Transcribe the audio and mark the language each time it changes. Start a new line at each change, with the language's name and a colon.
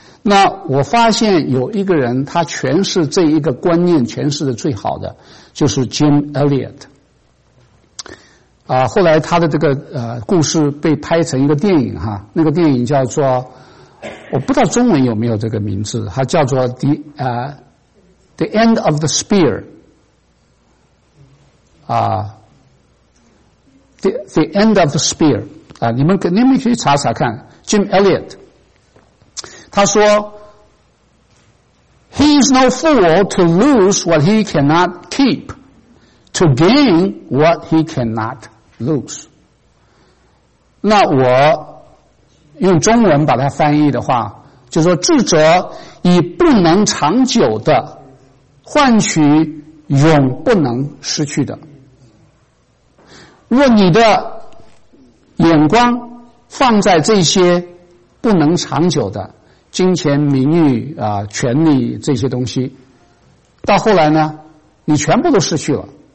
Chinese: 那我发现有一个人，他诠释这一个观念诠释的最好的，就是 Jim Elliot。后来他的这个故事被拍成一个电影哈，那个电影叫做，我不知道中文有没有这个名字，它叫做 The End of the Spear。 The End of the Spear， 你们可以查查看。
English: Jim Elliot
Chinese: 他说
English: He is no fool to lose what he cannot keep, to gain what he cannot lose。
Chinese: 那我用中文把它翻译的话，就说智者以不能长久的换取永不能失去的。若你的眼光放在这些不能长久的金钱、名誉、权力这些东西，到后来呢你全部都失去了。